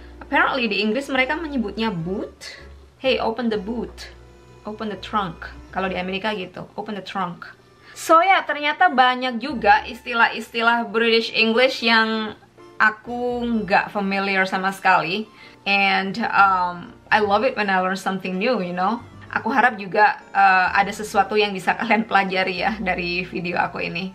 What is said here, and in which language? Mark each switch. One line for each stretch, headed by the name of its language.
English: Apparently
Indonesian: di Inggris mereka menyebutnya
English: boot. Hey, open the boot. Open the trunk.
Indonesian: Kalau di Amerika gitu,
English: open the trunk.
Indonesian: So ya, ternyata banyak juga istilah-istilah British English yang aku nggak familiar sama sekali.
English: And I love it when I learn something new, you know.
Indonesian: Aku harap juga ada sesuatu yang bisa kalian pelajari ya dari video aku ini.